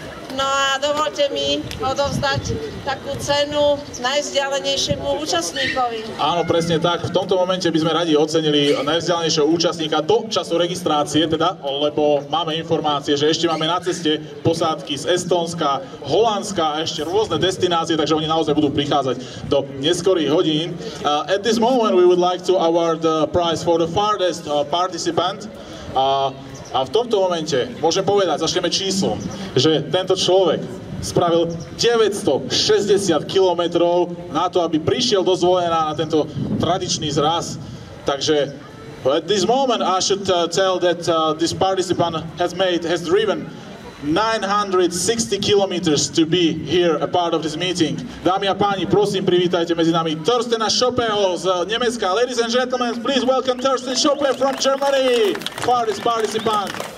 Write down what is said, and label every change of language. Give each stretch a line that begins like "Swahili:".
Slovak: No a dovolte mi odovzdať takú cenu najvzdialenejšiemu účastníkovi. Áno, presne tak. V tomto momente by sme radi ocenili najvzdialenejšieho účastníka do času registrácie, teda, lebo máme informácie, že ešte máme na ceste posádky z Estónska, Holandska a ešte rôzne destinácie, takže oni naozaj budú prichádzať do neskorých hodín.
English: At this moment we would like to award the prize for the farthest participant.
Slovak: A v tomto momente môžem povedať, začneme číslom, že tento človek spravil 960 kilometrov na to, aby prišiel do Zvolena na tento tradičný zraz.
English: Takže at this moment I should tell that this participant has driven 960 kilometers to be here a part of this meeting.
Slovak: Dámy a páni, prosím, privítajte medzi nami Thorstena Schoppeho z Nemecka.
English: Ladies and gentlemen, please welcome Thorsten Schoppe from Germany, farthest participant.